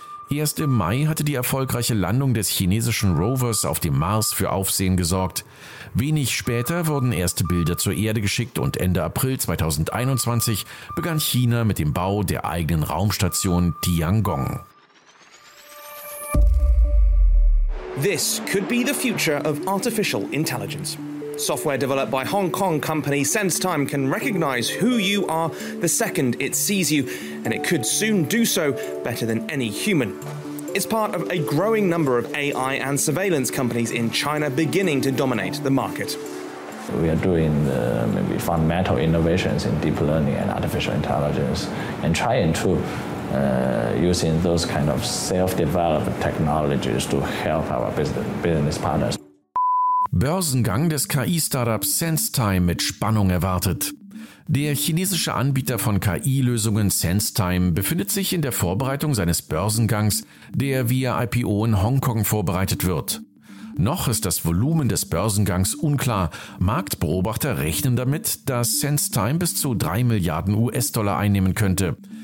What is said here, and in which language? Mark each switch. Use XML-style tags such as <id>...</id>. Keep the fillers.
<de>Erst im Mai hatte die erfolgreiche Landung des chinesischen Rovers auf dem Mars für Aufsehen gesorgt. Wenig später wurden erste Bilder zur Erde geschickt und Ende April 2021 begann China mit dem Bau der eigenen Raumstation Tiangong.</de> <en>This could be the future of artificial intelligence. Software developed by Hong Kong company SenseTime can recognize who you are the second it sees you, and it could soon do so better than any human. It's part of a growing number of AI and surveillance companies in China beginning to dominate the market. We are doing maybe I mean, fundamental innovations in deep learning and artificial intelligence and trying to. Uh, using those kind of self-developed technologies to help our business, business partners.</en> <de>Börsengang des KI-Startups SenseTime mit Spannung erwartet. Der chinesische Anbieter von KI-Lösungen SenseTime befindet sich in der Vorbereitung seines Börsengangs, der via IPO in Hongkong vorbereitet wird. Noch ist das Volumen des Börsengangs unklar. Marktbeobachter rechnen damit, dass SenseTime bis zu 3 Milliarden US-Dollar einnehmen könnte.</de>